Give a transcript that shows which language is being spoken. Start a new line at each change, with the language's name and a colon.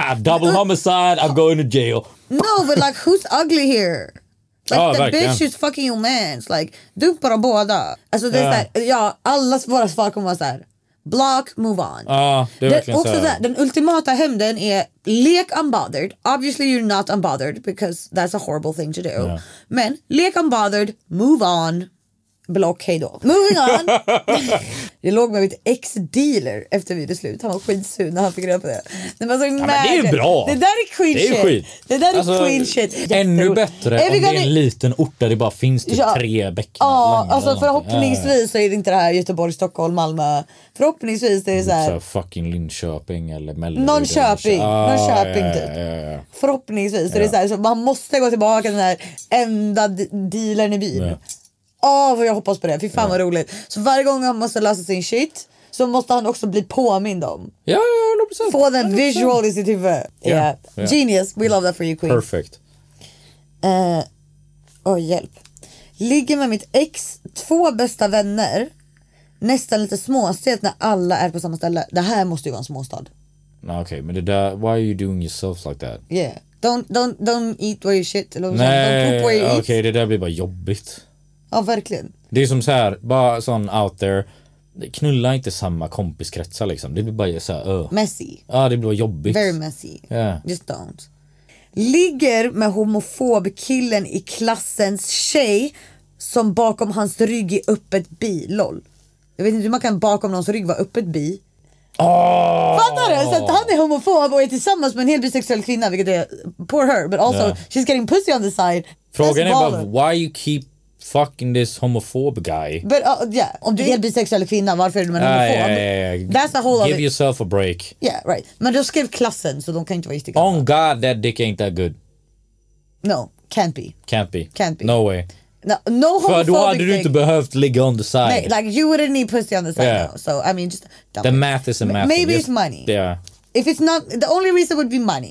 English: Double homicide, I'm going to jail. No, but like, who's ugly here? Like, the verkligen. Bitch is fucking your mans. Like,
Swedish: dumpa dem båda. Alltså, det är såhär, ja, alla våra svar kommer vara såhär.
English: Block, move on.
Swedish: Den ultimata hämnden är lek unbothered.
English: Obviously you're not unbothered because that's a horrible thing to do. Yeah.
Swedish: Men lek
English: unbothered, move on. Block,
Swedish: hej då.
English: Moving on.
Swedish: Jag låg med mitt ex-dealer efter videos slut. Han var skitsur när han fick reda på det. Det, var så, ja, men det är bra. Det där är
English: queen shit.
Swedish: Det där är alltså,
English: queen shit.
Swedish: Ännu bättre om det är en liten ort där det bara finns typ tre bäckar. Ja, alltså förhoppningsvis så är det inte det här Göteborg, Stockholm, Malmö. Förhoppningsvis det är så här, fucking Linköping eller Mellerud. Någon Köping typ. Förhoppningsvis så är det så här, så man måste gå tillbaka den här enda dealern i byn. Åh, vad jag hoppas på det. Fy fan vad roligt. Så varje gång han måste läsa sin shit så måste han också bli påmind om. Ja, ja, 100%. Få den visual i sitt huvud.
English: Genius. We love that for you, queen. Perfect.
Swedish: Hjälp. Ligger med mitt ex, två bästa vänner, nästan lite småstet när alla är på samma ställe. Det här måste ju vara en småstad.
English: Okej, okay,
Swedish: men det där,
English: why are you doing yourself like that? Yeah. Don't eat where you shit.
Swedish: Nej, okej, okay, det där blir bara jobbigt. Ja, verkligen. Det är som så här, bara sån
English: out there.
Swedish: Knulla inte samma kompiskretsar liksom. Det blir bara så här,
English: messy.
Swedish: Ja, det blir bara jobbigt.
English: Very messy. Yeah. Just don't.
Swedish: Ligger med homofob killen i klassens tjej som bakom hans rygg är öppet bi. Lol. Jag vet inte hur man kan bakom någons rygg vara öppet bi.
English: Oh!
Swedish: Fattar du? Så att han är homofob och är tillsammans med en helt bisexuell kvinna, vilket är
English: poor her, but also she's getting pussy on the side.
Swedish: Frågan är bara,
English: why you keep fucking this homophobe guy. But yeah,
Swedish: om du är bisexuell kvinna, varför är du en homofob?
English: That's a whole give yourself a break. Yeah, right.
Swedish: Men då skrev klassen, så de kan inte vara just.
English: Oh god, that dick ain't that good. No, can't be. Can't be. Can't be. No way. No homophobic.
Swedish: För då hade du inte behövt ligga
English: on the side. Nej, like you wouldn't need pussy on the side. Yeah. No. So I mean, just the way. Math is a math. Maybe it's money. Yeah. If it's not, the only reason would be money.